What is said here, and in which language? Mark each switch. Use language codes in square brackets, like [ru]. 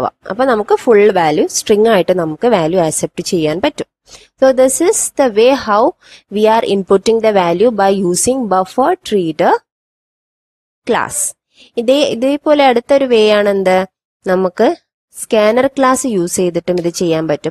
[ml] അപ്പൊ നമുക്ക് full value string ആയിട്ട് നമുക്ക് വാല്യൂ ആക്സെപ്റ്റ് ചെയ്യാൻ പറ്റും. [en] So this is the way how we are inputting the value by using buffered reader class. [ml] ഇതേപോലെ അടുത്തൊരു വേ ആണ് എന്ത്, നമുക്ക് സ്കാനർ ക്ലാസ് യൂസ് ചെയ്തിട്ടും ഇത് ചെയ്യാൻ പറ്റും.